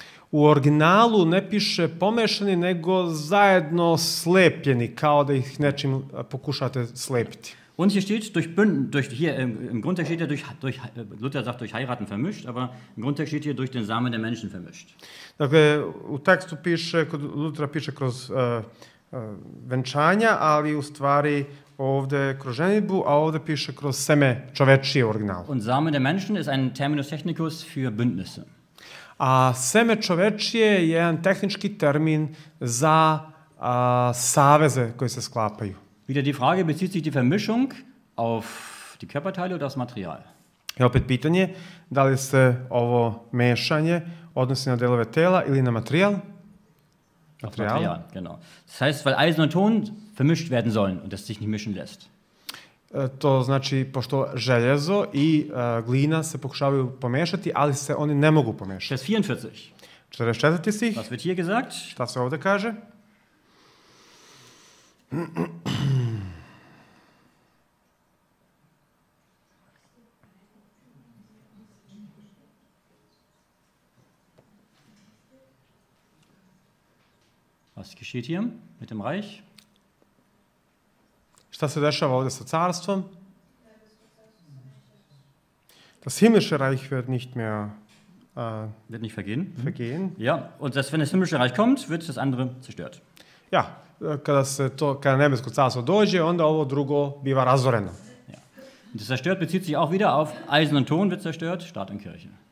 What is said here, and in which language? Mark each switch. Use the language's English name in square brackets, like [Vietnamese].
[Serbian] U originalu ne piše pomešani, nego zajedno slepljeni, kao da ih nečim pokušate slepiti. [German] Und hier steht im Grundtext steht ja durch Luther sagt durch heiraten vermischt, aber im Grundtext steht hier durch den Samen der Menschen vermischt. [Serbian] Dakle, u tekstu piše, kod Lutera piše kroz venčanja, ali u stvari ovde kroz ženitbu, a ovde piše kroz seme čovečije u originalu. [German] Und Samen der Menschen ist ein Terminus technicus für Bündnisse. [Serbian] A seme čovečije je jedan tehnički termin za saveze koji se sklapaju. [German] Wieder die Frage, bezieht sich die Vermischung auf die Körperteile oder das Material? [Serbian] I opet pitanje, da li se ovo mešanje odnosi na delove tela ili na materijal? [German] Material, genau. Das heißt, weil Eisen und Ton vermischt werden sollen und das sich nicht mischen lässt. [Serbian] To znači, pošto željezo i glina se pokušavaju pomešati, ali se oni ne mogu pomešati. [German] Vers 44. [Serbian] 44. Stih. [German] Was wird hier gesagt? [Serbian] Šta se ovde kaže? [German] Was geschieht hier mit dem Reich? [Serbian] Šta se dešava ovde sa carstvom? [German] Das himmlische Reich wird nicht mehr wird nicht vergehen. Vergehen. Ja, und das, wenn das himmlische Reich kommt, wird das andere zerstört. [Serbian] Ja, kada nebesko carstvo dođe, onda ovo drugo biva razoreno. [German] Ja. Und das zerstört bezieht sich auch wieder auf Eisen und Ton wird zerstört, Staat und Kirche.